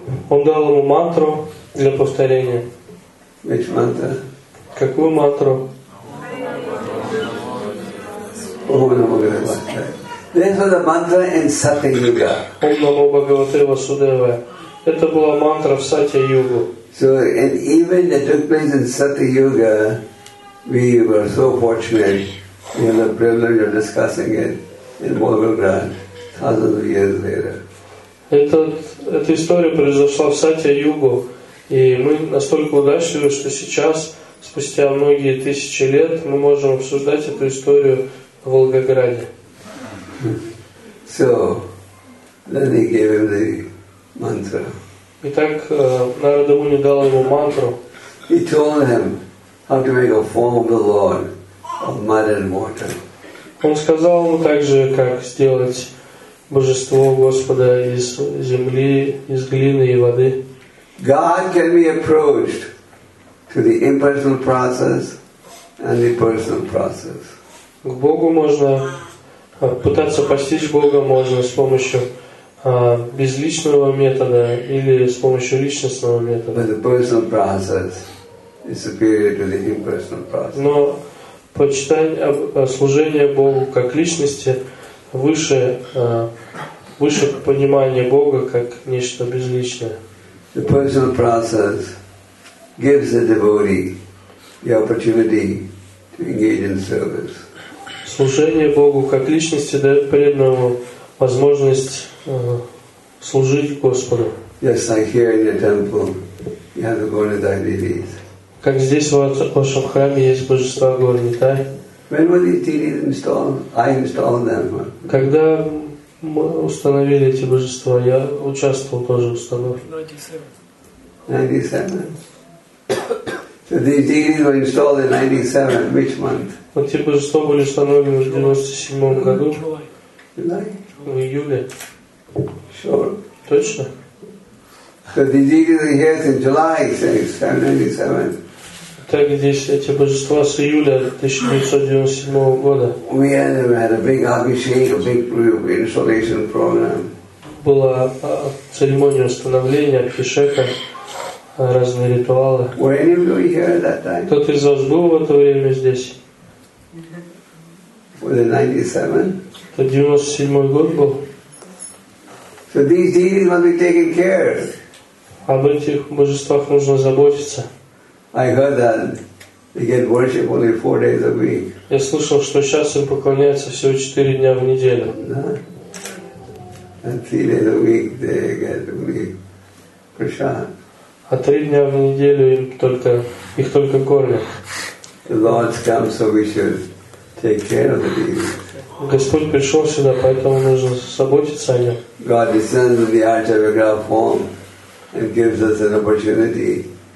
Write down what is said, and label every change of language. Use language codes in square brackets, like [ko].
[ru] Он дал ему мантру для повторения. [en] Which mantra? [ru] Какую мантру? [sa] Ом намо Бхагавате. [en] This was a mantra in Сатья Юга. [sa] Ом намо Бхагавате Васудеве. [ru] Это была мантра в Сатья Югу. [en] So, and even that took place in Сатья Юга, we were so fortunate, we had the privilege of discussing it in Волгоград thousands of years later. [ru] Эта история произошла в Сатья Югу. И мы настолько удачливы, что сейчас, спустя многие тысячи лет, мы можем обсуждать эту историю в Волгограде. [en] So, then he gave him the mantra. [ru] Итак, Narada Muni дал ему мантру. [en] He told him how to make a formable lord of mud and water. [ru] Он сказал ему также, как сделать божество Господа из земли, из глины и воды. [en] God can be approached through the impersonal process and the personal process. [ru] К Богу можно пытаться постичь Бога можно с помощью безличного метода или с помощью личностного метода. [en] But the personal process is superior to the impersonal process. [ru] Но почитание служение Богу как личности выше понимания Бога как нечто безличное. [en] The personal process gives the devotee the opportunity to engage in service. [ru] Служение Богу как личности дает преданному возможность служить Господу. [en] Yes, like here in the temple, you have the Gaura Devidis. [ru] Как здесь в вашем храме есть божества Гаура Нитай? [en] When were these deities installed? I installed them. [ru] Когда мы установили эти божества, я участвовал тоже в установке. [en] 97. So these deities were installed in 97. Which month? [ru] Вот эти божества были установлены в 97 году. [en] July. [ru] В июле. [en] Sure. [ru] Точно. [en] So these deities are here since July 97. [ru] Так здесь эти божества с июля 1997 года. [en] We had a big abhishek, a big installation program. [ru] Была церемония установления абхишека, разные ритуалы. [en] Were any of you here at that time? [ru] Кто-то из вас был в это время здесь? [en] Was it 97? [ru] Это 97 год был. [en] So these deities must be taken care of. [ru] Об этих божествах нужно заботиться. [en] I heard that they get worship only 4 days a week. [ru] Я слышал, что сейчас им поклоняются всего 4 дня в неделю. Да. [en] And 3 days a week they get only prasad. [ru] А 3 дня в неделю их только кормят. [en] The Lord's come, so we should take care of the deities. [ru] Господь пришел сюда, поэтому нужно заботиться о них. [en] God descends in the Archavagra form and gives us an opportunity.